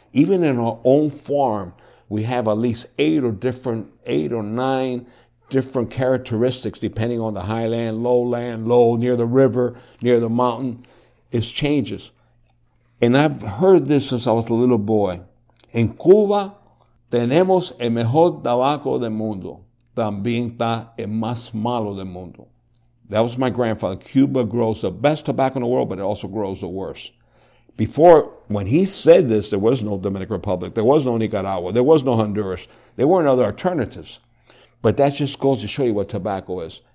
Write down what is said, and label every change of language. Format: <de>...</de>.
<en>Even in our own farm, we have at least 8 or 9 different characteristics depending on the high land, low, near the river, near the mountain. It changes. And I've heard this since I was a little boy.</en> <es>En Cuba tenemos el mejor tabaco del mundo. También está el más malo del mundo.</es> <en>That was my grandfather. Cuba grows the best tobacco in the world, but it also grows the worst. Before, when he said this, there was no Dominican Republic. There was no Nicaragua. There was no Honduras. There weren't other alternatives. But that just goes to show you what tobacco is.</en>